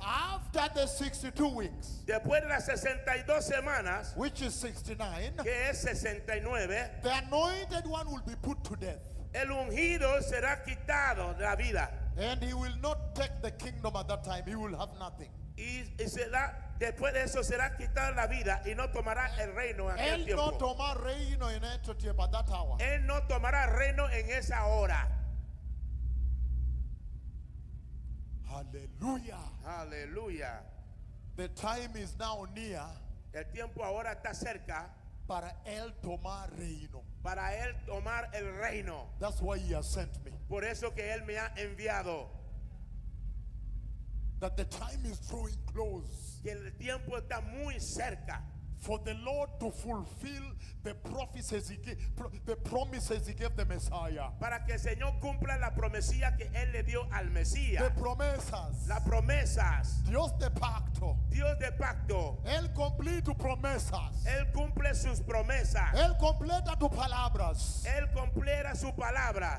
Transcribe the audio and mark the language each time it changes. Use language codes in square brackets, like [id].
[en] After the 62 weeks. [es] Después de las 62 semanas. [en] Which is 69. [es] Que es 69. [en] The anointed one will be put to death. [es] El ungido será quitado de la vida. [en] And he will not take the kingdom at that time. He will have nothing. [es] Y será, después de eso será quitado la vida y no tomará el reino en aquel tiempo. Él no tomará reino en ese tiempo, [en] at that hour. [es] Él no tomará reino en esa hora. Aleluya. Aleluya. [en] The time is now near. [es] El tiempo ahora está cerca. Para él tomar reino. Para él tomar el reino. [en] That's why he has sent me. [es] Por eso que él me ha enviado. [en] That the time is drawing close. [es] Que el tiempo está muy cerca. [en] For the Lord to fulfill the prophecies he gave, the promises he gave the Messiah. [es] Para que el Señor cumpla la promesía que él le dio al Mesías. The promesas. Las promesas. Dios de pacto. Dios de pacto. Él cumple tus promesas. Él cumple sus promesas. Él completa tus palabras. Él completa su palabra.